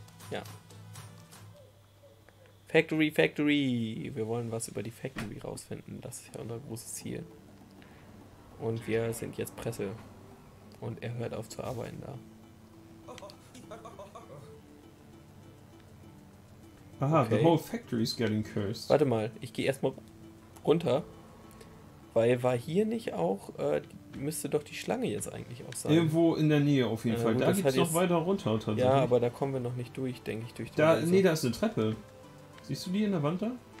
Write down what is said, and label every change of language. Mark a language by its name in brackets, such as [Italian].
[German] Ja. Factory. Wir wollen was über die Factory rausfinden. Das ist ja unser großes Ziel. Und wir sind jetzt Presse. Und er hört auf zu arbeiten da. [English] Aha, okay. The whole factory is getting cursed. [German] Warte mal, ich gehe erstmal runter. Weil war hier nicht auch, müsste doch die Schlange jetzt eigentlich auch sein. Irgendwo in der Nähe auf jeden Fall. Gut, da geht's halt noch jetzt weiter runter tatsächlich. Ja, aber da kommen wir noch nicht durch, denke ich, durch die Wand. Nee, da ist eine Treppe. Siehst du die in der Wand da?